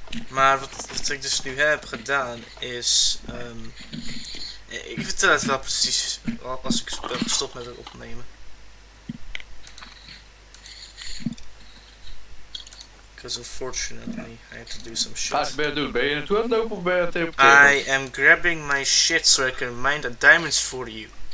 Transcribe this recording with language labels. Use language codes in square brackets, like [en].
[nl] Wat ik dus nu heb gedaan is. Ik vertel het wel precies als ik ben gestopt met het opnemen. [en] Because unfortunately, I have to do some shit. [nl] Wat ben je doen? Ben je naartoe aan het lopen of ben je aan het teleporteren? [en] I am grabbing my shit so I can mine the diamonds for you.